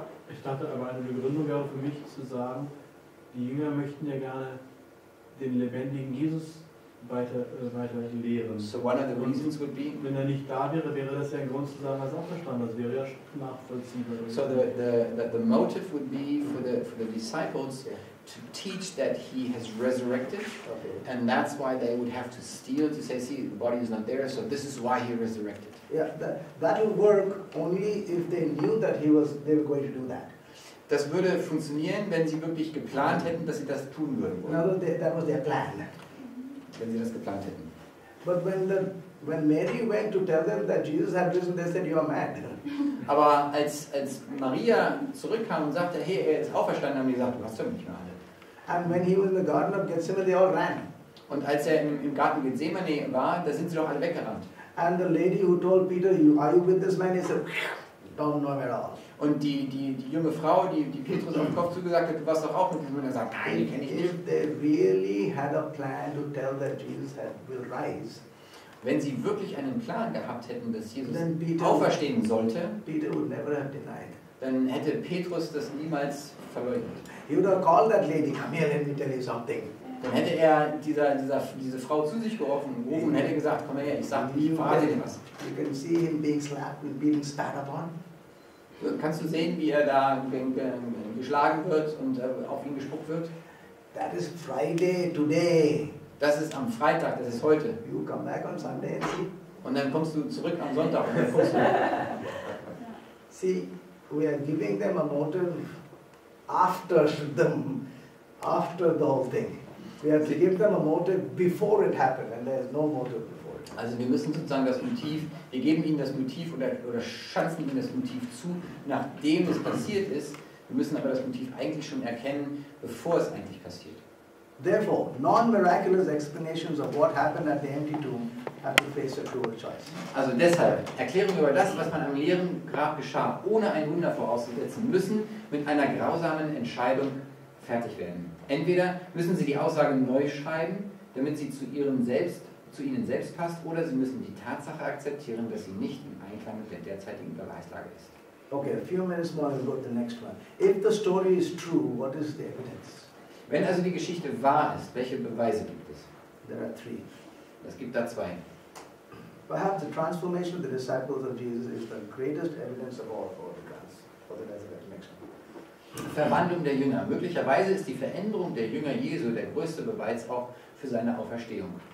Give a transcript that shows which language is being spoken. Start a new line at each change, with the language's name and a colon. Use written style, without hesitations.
German: Ich dachte aber, eine Begründung wäre für mich zu sagen, die Jünger möchten ja gerne den lebendigen Jesus weiter lehren.
English: So one of the reasons would be,
German: wenn er nicht da wäre, wäre das ja ein Grund zu sagen, als aufgestanden. Das wäre ja nachvollziehbar.
English: So the motive would be for the disciples to teach that he has resurrected, okay. And that's why they would have to steal to say, see, the body is not there, so this is why he resurrected. Yeah, that will work only if they knew that they were going to do that.
German: Das würde funktionieren, wenn sie wirklich geplant hätten, dass sie das tun würden.
English: No, that was their plan.
German: Wenn sie das geplant hätten.
English: But when Mary went to tell them that Jesus had risen, they said, you are mad.
German: Aber als Maria zurückkam und sagte, hey, er ist auferstanden, haben die gesagt, du hast doch nicht mehr.
English: And when he was in the Garden of Gethsemane, they all ran.
German: Und als er im Garten Gethsemane war, da sind sie doch alle weggerannt.
English: And the lady who told Peter, are you with this man? He said, don't know him at all.
German: Und die junge Frau, die Petrus auf den Kopf zugesagt hat, du warst doch auch mit diesem Mann. Er sagt, nein, den kenne ich nicht.
English: If they really had a plan to tell that Jesus will rise,
German: wenn sie wirklich einen Plan gehabt hätten, dass Jesus auferstehen sollte,
English: Peter would never have denied.
German: Dann hätte Petrus das niemals verleugnet.
English: He would have called that lady, come here, let me tell you something.
German: Dann hätte er diese Frau zu sich gerufen und hätte gesagt, komm her, ich sag dir was.
English: You can see him being slapped and being spat upon.
German: Kannst du sehen, wie er da geschlagen wird und auf ihn gespuckt wird?
English: That is Friday today.
German: Das ist am Freitag, das ist heute.
English: You come back on Sunday and see.
German: Und dann kommst du zurück am Sonntag und dann kommst du.
English: See, we are giving them a motive after the whole thing. We have to give them a motive before it happened, and there is no motive before it.
German: Also wir müssen sozusagen das Motiv, wir geben ihnen das Motiv oder schanzen ihnen das Motiv zu, nachdem es passiert ist. Wir müssen aber das Motiv eigentlich schon erkennen, bevor es eigentlich passiert.
English: Therefore, non-miraculous explanations of what happened at the empty tomb have to face a cruel choice.
German: Also deshalb, Erklärung über das, was man am leeren Grab geschah, ohne ein Wunder vorauszusetzen, müssen mit einer grausamen Entscheidung fertig werden. Entweder müssen Sie die Aussage neu schreiben, damit sie zu Ihrem selbst, zu Ihnen selbst passt, oder Sie müssen die Tatsache akzeptieren, dass sie nicht im Einklang mit der derzeitigen Beweislage ist.
English: Okay, a few minutes more and go to the next one. If the story is true, what is the evidence?
German: Wenn also die Geschichte wahr ist, welche Beweise gibt es?
English: There are three.
German: Es gibt da zwei.
English: Perhaps the transformation of the disciples of Jesus is the greatest evidence of all for the cross, for the resurrection.
German: Verwandlung der Jünger. Möglicherweise ist die Veränderung der Jünger Jesu der größte Beweis auch für seine Auferstehung.